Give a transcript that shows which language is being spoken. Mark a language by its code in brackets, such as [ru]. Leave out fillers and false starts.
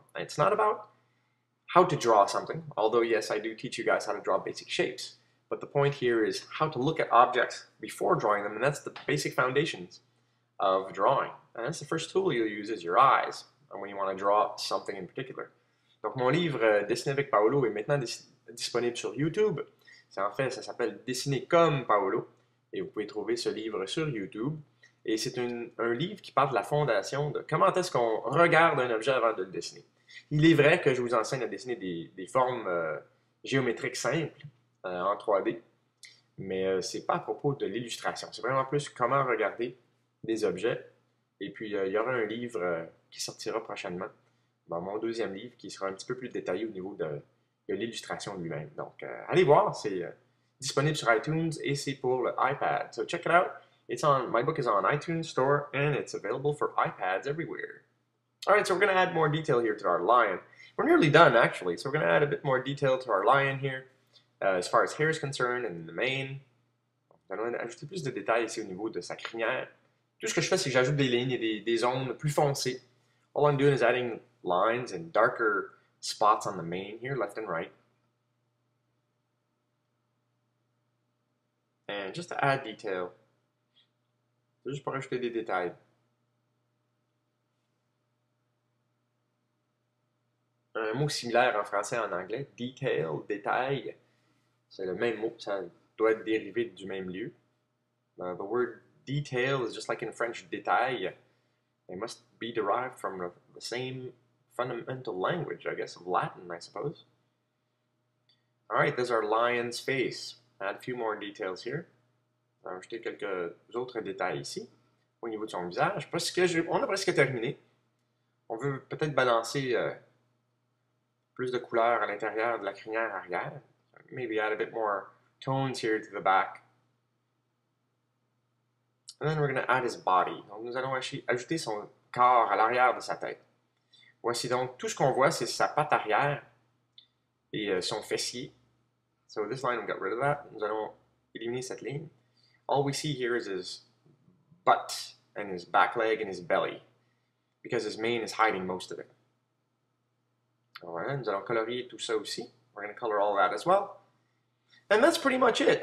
[en] It's not about how to draw something, although yes, I do teach you guys how to draw basic shapes. But the point here is how to look at objects before drawing them, and that's the basic foundations of drawing. And that's the first tool you'll use is your eyes, and when you want to draw something in particular. [fr] Donc mon livre Dessiner avec Paolo est maintenant disponible sur YouTube. C'est en fait, ça s'appelle Dessiner comme Paolo, et vous pouvez trouver ce livre sur YouTube. Et c'est un livre qui parle de la fondation de comment est-ce qu'on regarde un objet avant de le dessiner. Il est vrai que je vous enseigne à dessiner des formes géométriques simples en 3D, mais c'est pas à propos de l'illustration. C'est vraiment plus comment regarder des objets. Et puis, il y aura un livre qui sortira prochainement, ben, mon deuxième livre, qui sera un petit peu plus détaillé au niveau de l'illustration lui-même. Donc, allez voir, c'est disponible sur iTunes et c'est pour l'iPad. [en] So, check it out. My book is on iTunes Store, and it's available for iPads everywhere. All right, so we're going to add more detail here to our lion. We're nearly done, actually, so we're going to add a bit more detail to our lion here, as far as hair is concerned, and the mane. [fr] Nous allons ajouter plus de détails ici au niveau de sa crinière. Tout ce que je fais, c'est que j'ajoute des lignes et des zones plus foncées. [en] All I'm doing is adding lines and darker spots on the mane here, left and right. And just to add detail. [fr] Juste pour ajouter des détails. Un mot similaire en français et en anglais, detail, détail, c'est le même mot, ça doit être dérivé du même lieu. [en] The word detail is just like in French, détail. It must be derived from the same fundamental language, I guess, of Latin, I suppose. All right, there's our lion's face. Add a few more details here. [fr] Ajouter quelques autres détails ici au niveau de son visage. Parce que on a presque terminé. On veut peut-être balancer plus de couleurs à l'intérieur de la crinière arrière. [en] Maybe add a bit more tones here to the back. And then we're going to add his body. [fr] Donc nous allons ajouter son corps à l'arrière de sa tête. Voici donc tout ce qu'on voit, c'est sa patte arrière et son fessier. [en] So this line, we got rid of that. [fr] Nous allons éliminer cette ligne. [en] All we see here is his butt and his back leg and his belly, because his mane is hiding most of it. Alright, [fr] nous allons colorier tout ça aussi. [en] We're going to color all that as well. And that's pretty much it.